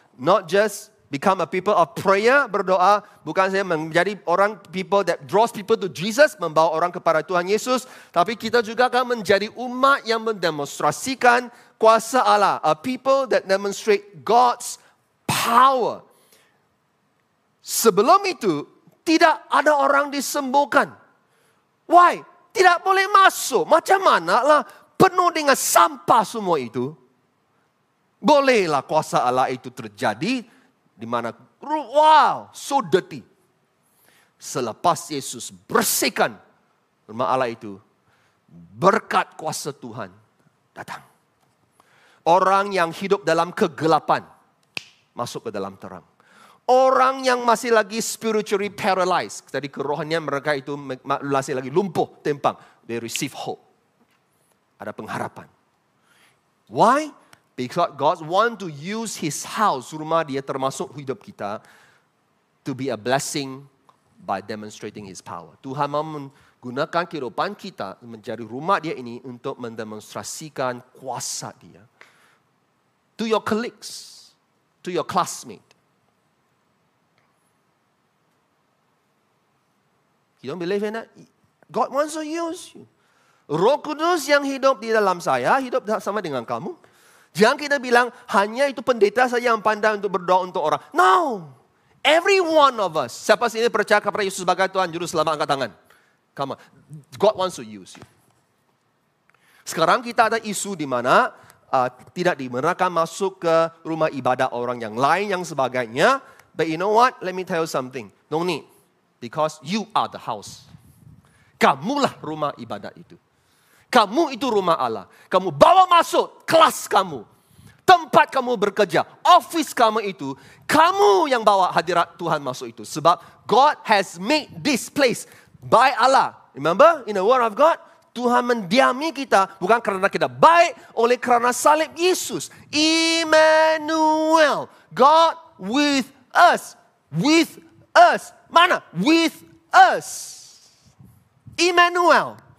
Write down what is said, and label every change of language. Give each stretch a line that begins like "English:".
English: Not just become a people of prayer,
Malay: berdoa. Bukan saja menjadi orang
English: people that draws people to Jesus,
Malay: membawa orang kepada Tuhan Yesus. Tapi kita juga akan menjadi umat yang mendemonstrasikan kuasa Allah.
English: A people that demonstrate God's power.
Malay: Sebelum itu, tidak ada orang disembuhkan.
English: Why?
Malay: Tidak boleh masuk. Macam mana lah penuh dengan sampah semua itu. Bolehlah kuasa Allah itu terjadi. Di mana,
English: wow, so dirty.
Malay: Selepas Yesus bersihkan rumah Allah itu, berkat kuasa Tuhan datang. Orang yang hidup dalam kegelapan masuk ke dalam terang. Orang yang masih lagi
English: spiritually paralyzed.
Malay: Tadi kerohannya mereka itu masih lagi lumpuh, tempang.
English: They receive hope.
Malay: Ada pengharapan.
English: Why? Because God want to use his house,
Malay: rumah dia termasuk hidup kita,
English: to be a blessing by demonstrating his power.
Malay: Tuhan mahu menggunakan kehidupan kita menjadi rumah dia ini untuk mendemonstrasikan kuasa dia.
English: To your colleagues, to your classmates. You don't believe in that? God wants to use you.
Malay: Roh Kudus yang hidup di dalam saya, hidup sama dengan kamu. Jangan kita bilang, hanya itu pendeta saja yang pandai untuk berdoa untuk orang.
English: No! Every one of us,
Malay: siapa sini percaya kepada Yesus sebagai Tuhan, Juru Selamat, angkat tangan.
English: Come on. God wants to use you.
Malay: Sekarang kita ada isu di mana, tidak dibenarkan masuk ke rumah ibadah orang yang lain, yang sebagainya.
English: But you know what? Let me tell you something. Don't need. Because you are the house.
Malay: Kamulah rumah ibadat itu. Kamu itu rumah Allah. Kamu bawa masuk kelas kamu. Tempat kamu bekerja. Office kamu itu. Kamu yang bawa hadirat Tuhan masuk itu. Sebab
English: God has made this place by Allah. Remember in the word of God?
Malay: Tuhan mendiami kita bukan kerana kita baik, oleh kerana salib Yesus.
English: Emmanuel. God with us. With us. Mana? With us. Emmanuel.